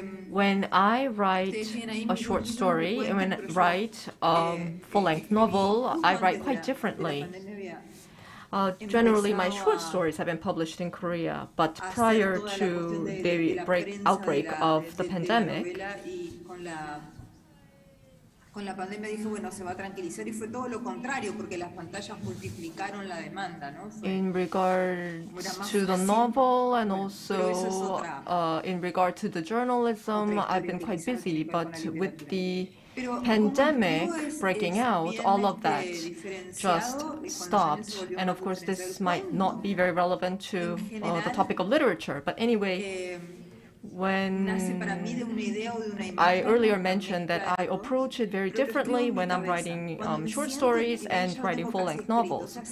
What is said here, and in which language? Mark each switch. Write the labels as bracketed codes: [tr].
[en] When I write a short story, when I write a full-length novel, I write quite differently. Generally, my short stories have been published in Korea, but prior to the outbreak of the pandemic, [es] con la pandemia dije, bueno, se va a tranquilizar, y fue todo lo contrario, porque las pantallas multiplicaron la demanda, ¿no? [en] In regard to the novel, and also in regard to the journalism, I've been quite busy, but with the pandemic breaking out, all of that just stopped. And of course, this might not be very relevant to the topic of literature, but anyway, when I earlier mentioned that I approach it very differently when I'm writing short stories and writing full-length novels.